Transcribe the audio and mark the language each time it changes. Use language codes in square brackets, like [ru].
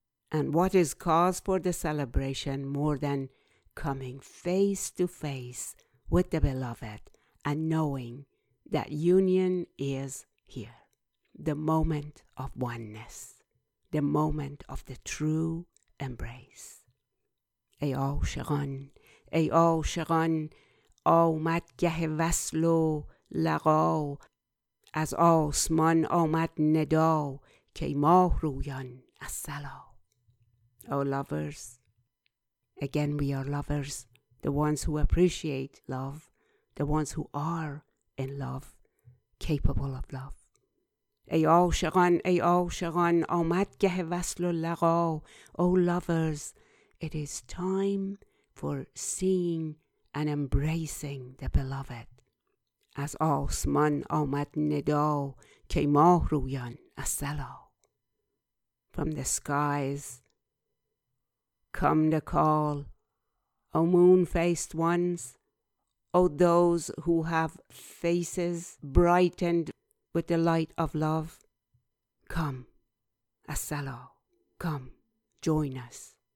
[en] And what is cause for the celebration more than coming face to face with the beloved and knowing that union is here, the moment of oneness, the moment of the true embrace. [fa] Ey عاشقان، ای عاشقان، آمد گه وصل و لقا، از آسمان آمد ندا که ماه رویان از سلا. [en] Oh lovers, again we are lovers, the ones who appreciate love, the ones who are in love, capable of love. [fa] ای عاشقان آمد گه وصل و لقا. [en] Oh lovers, it is time for seeing and embracing the beloved. [fa] از آسمان آمد ندا که ماه رویان از سلا. [en] From the skies come the call, O moon-faced ones, O those who have faces brightened with the light of love, come, Asala, come, join us.